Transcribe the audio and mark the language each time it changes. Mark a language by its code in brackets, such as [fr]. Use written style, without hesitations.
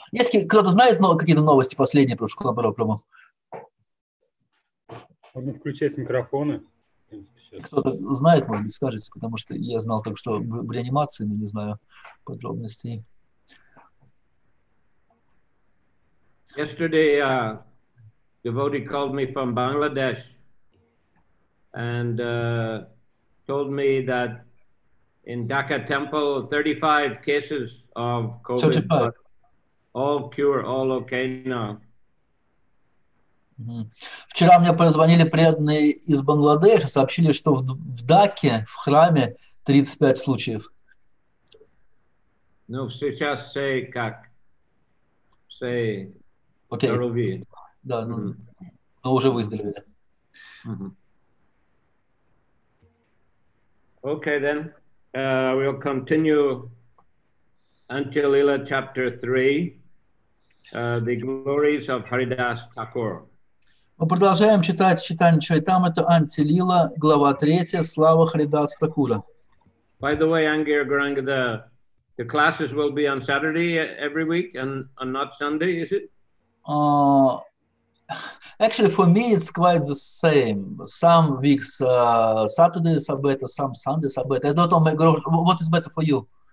[ru] Если кто-то знает какие-то новости последние про Шкламбара, прямо. Можно включать микрофоны. Кто-то знает, может быть, скажите, потому что я знал только что в реанимации, но не знаю подробностей. [en] Yesterday, a devotee called me from Bangladesh and told me that in Dhaka temple, 35 cases of COVID, 35. All cure, all okay now. [ru] Вчера мне позвонили преданные из Бангладеш и сообщили, что в Даке, в храме, 35 случаев. Ну, сейчас [en] say [ru] как? [en] Say okay. [ru] Здоровье. Да, но уже выздоровели. [en] Okay, then. We'll continue until Lila chapter 3. The glories of Haridas Thakur. [ru] Мы продолжаем читать Чайтанья Чаритамрите, Антья, Лила, глава 3, слава Харидас Такура. [en] By the way, Angir Gauranga, the classes will be on Saturday every week and not Sunday, is it? Actually, for me, it's quite the same. Some weeks Saturday is better, some Sunday is better. I don't know, what is better for you?